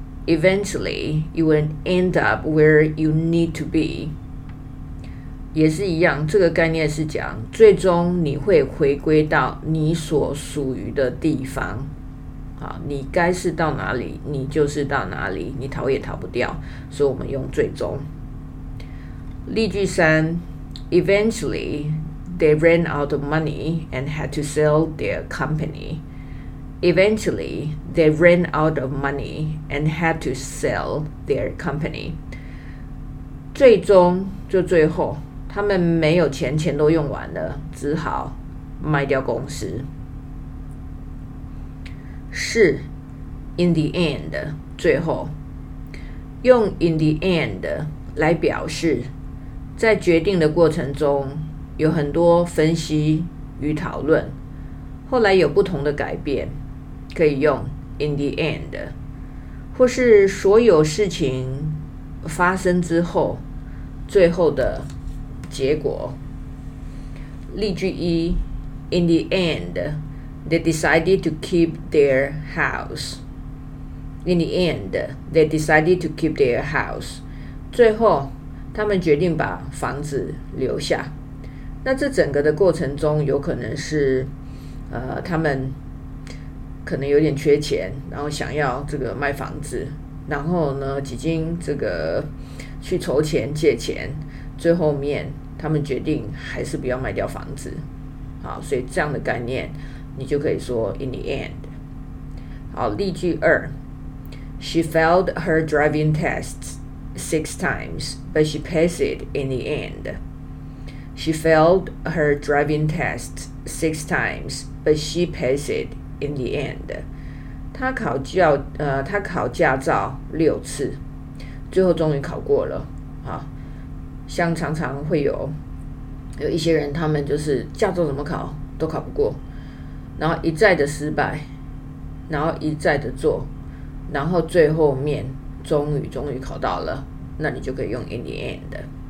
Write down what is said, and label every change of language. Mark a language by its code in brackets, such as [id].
[en] eventually you will end up where you need to be. [zh] 也是一样，这个概念是讲最终你会回归到你所属于的地方。好，你该是到哪里，你就是到哪里，你逃也逃不掉。所以我们用最终。例句三 [en] ，Eventually, they ran out of money and had to sell their company. Eventually, they ran out of money and had to sell their company. [zh] 最终就最后。他们没有钱，钱都用完了，只好卖掉公司。是 ，in the end， 最后用 in the end 来表示，在决定的过程中有很多分析与讨论，后来有不同的改变，可以用 in the end， 或是所有事情发生之后，最后的。结果。例句一 [en] ，In the end, they decided to keep their house. In the end, they decided to keep their house. [zh] 最后，他们决定把房子留下。那这整个的过程中，有可能是，他们可能有点缺钱，然后想要这个卖房子，然后呢，几经这个去筹钱借钱，最后面。他们决定还是不要卖掉房子，好，所以这样的概念，你就可以说 in the end。好，例句二 [en] ，She failed her driving tests 6 times, but she passed it in the end. She failed her driving tests 6 times, but she passed it in the end. [zh] 她考驾照6次，最后终于考过了，好。像常常会有一些人，他们就是驾照怎么考都考不过，然后一再的失败，然后一再的做，然后最后面终于考到了，那你就可以用 in the end。